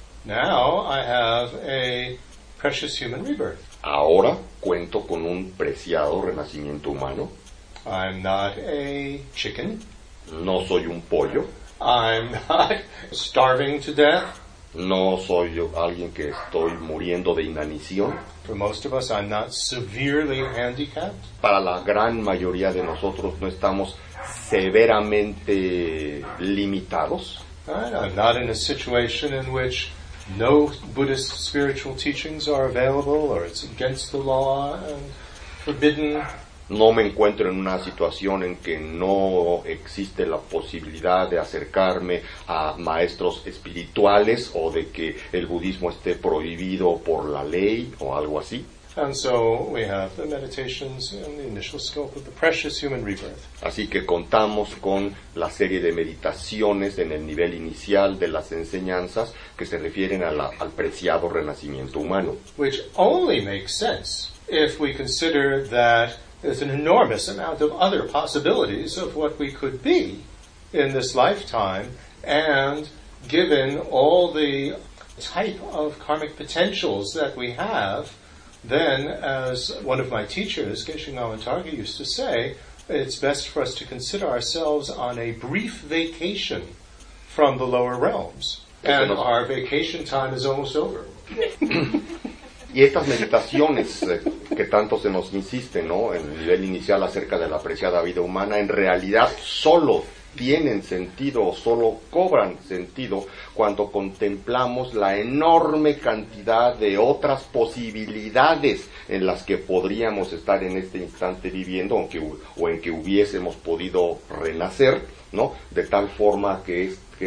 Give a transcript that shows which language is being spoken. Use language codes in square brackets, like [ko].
[en] Now I have a precious human rebirth. [es] Ahora cuento con un preciado renacimiento humano. [en] I'm not a chicken. [es] No soy un pollo. [en] I'm not starving to death. [es] No soy yo alguien que estoy muriendo de inanición. [en] For most of us, I'm not severely handicapped. [es] Para la gran mayoría de nosotros no estamos severamente limitados. [en] I'm not in a situation in which no Buddhist spiritual teachings are available or it's against the law and forbidden. [es] No me encuentro en una situación en que no existe la posibilidad de acercarme a maestros espirituales o de que el budismo esté prohibido por la ley o algo así. [en] And so we have the meditations in the initial scope of the precious human rebirth. [es] Así que contamos con la serie de meditaciones en el nivel inicial de las enseñanzas que se refieren al preciado renacimiento humano. [en] Which only makes sense if we consider that there's an enormous amount of other possibilities of what we could be in this lifetime, and given all the type of karmic potentials that we have, then, as one of my teachers, Geshe Nawantarga, used to say, it's best for us to consider ourselves on a brief vacation from the lower realms, and our vacation time is almost over. [es] Y estas meditaciones que tanto se nos insiste, ¿no?, en el nivel inicial acerca de la apreciada vida humana, en realidad solo tienen sentido o solo cobran sentido cuando contemplamos la enorme cantidad de otras posibilidades en las que podríamos estar en este instante viviendo o en que hubiésemos podido renacer, ¿no?, de tal forma que es